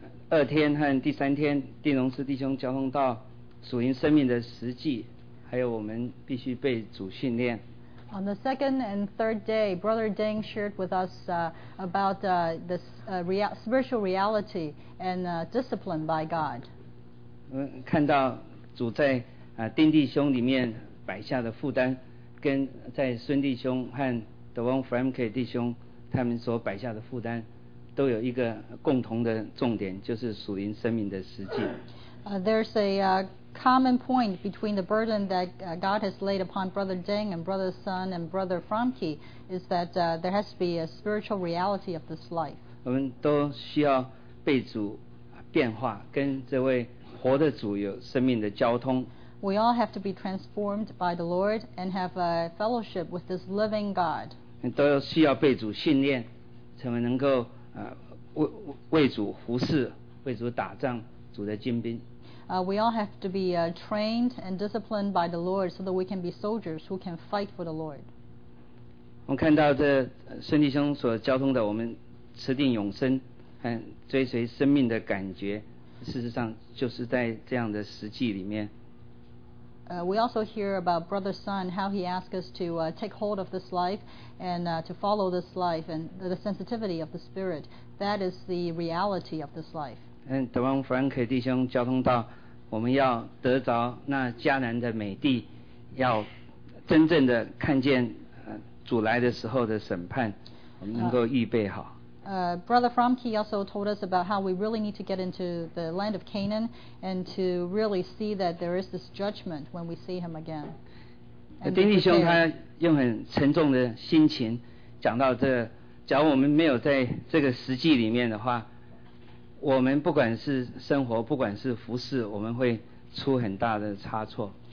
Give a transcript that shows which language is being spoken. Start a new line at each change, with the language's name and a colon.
Chinese: 二天和第三天丁荣斯弟兄交通到属灵生命的实际还有我们必须被主训练
English: On the second and third day Brother Deng shared with us about the spiritual reality and discipline by God
Chinese: 看到主在丁弟兄里面摆下的负担跟在孙弟兄和德翁弗兰克弟兄他们所摆下的负担都有一个共同的重点就是属灵生命的实际
English: There's a common point between the burden that God has laid upon Brother Deng and Brother Sun and Brother Frumke is that there has to be a spiritual reality of this life
Chinese: 我们都需要被主变化跟这位活的主有生命的交通
English: We all have to be transformed by the Lord and have a fellowship with this living God
Chinese: 都需要被主训练成为能够为主服事为主打仗主的精兵
English: We all have to be trained and disciplined by the Lord so that we can be soldiers who can fight for the Lord
Chinese: 我们看到这孙弟兄所交通的我们持定永生和追随生命的感觉事实上就是在这样的实际里面
English: We also hear about Brother Sun how he asked us to take hold of this life and to follow this life and the sensitivity of the spirit that is the reality of this life
Chinese: and 德翁弗兰克弟兄交通到我们要得着那迦南的美地要真正的看见主来的时候的审判我们能够预备好
English: Brother Fromke also told us about how we really need to get into the land of Canaan and to really see that there is this judgment when we see him again.
Chinese: 丁弟兄他用很沉重的心情讲到这，假如我们没有在这个实际里面的话，我们不管是生活，不管是服事，我们会出很大的差错。